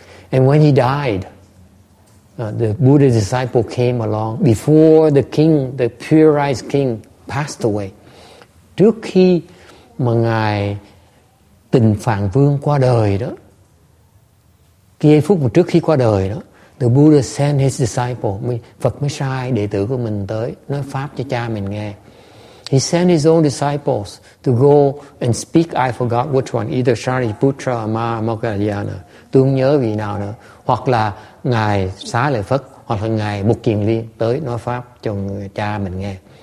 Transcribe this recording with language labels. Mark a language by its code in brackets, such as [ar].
[en] And when he died, the Buddha disciple came along before the king, the pure rice king, passed away. [vi] Trước khi mà ngài Tịnh Phạn Vương qua đời đó, giây phút mà trước khi qua đời đó, [en] the Buddha sent his disciple, [vi] Phật mới sai đệ tử của mình tới nói pháp cho cha mình nghe. [en] He sent his own disciples to go and speak, I forgot which one, either Shariputra or Mahamoggallana. [vi] Tôi không nhớ vị nào nữa. Hoặc là Ngài Xá Lợi Phất, hoặc là Ngài Mục Kiền Liên tới nói pháp cho người cha mình nghe.